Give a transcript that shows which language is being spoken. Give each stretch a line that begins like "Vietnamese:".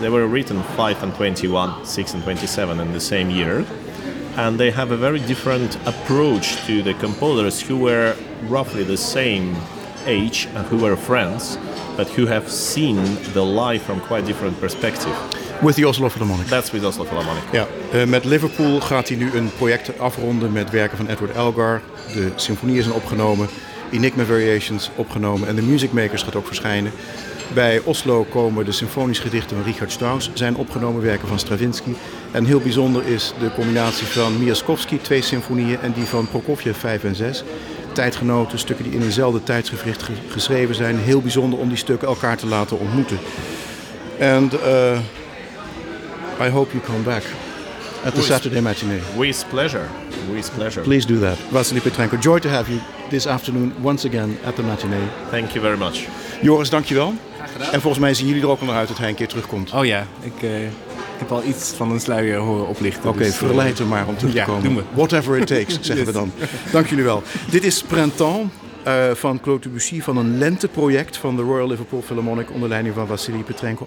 English: They were written 5 and 21, 6 and 27 in the same year. And they have a very different approach to the composers, who were roughly the same age and who were friends, but who have seen the life from quite different perspective. With the Oslo Philharmonic. That's with Oslo Philharmonic.
Dutch: Ja, met Liverpool gaat hij nu een project afronden met werken van Edward Elgar. De symfonieën zijn opgenomen, Enigma Variations opgenomen en de Music Makers gaat ook verschijnen. Bij Oslo komen de symfonische gedichten van Richard Strauss, zijn opgenomen werken van Stravinsky. En heel bijzonder is de combinatie van Miaskowski, twee symfonieën, en die van Prokofjev 5 en 6. Tijdgenoten, stukken die in eenzelfde tijdsgevricht geschreven zijn. Heel bijzonder om die stukken elkaar te laten ontmoeten.
English: And I hope you come back at the Saturday Matinee. With pleasure. With pleasure. Please do that. Vasily Petrenko, joy to have you this afternoon once again at the Matinee. Thank you very much.
Dutch: Joris, dankjewel. Graag gedaan. En volgens mij zien jullie er ook al naar uit dat hij een keer terugkomt. Oh ja, ik heb al iets van een sluier horen oplichten. Oké, okay, dus, verleid hem maar om terug te komen. Doen we.
English: Whatever it takes,
Dutch: zeggen we dan. Dank jullie wel. Dit is Printemps van Claude Debussy, van een lenteproject van de Royal Liverpool Philharmonic onder leiding van Vasily Petrenko.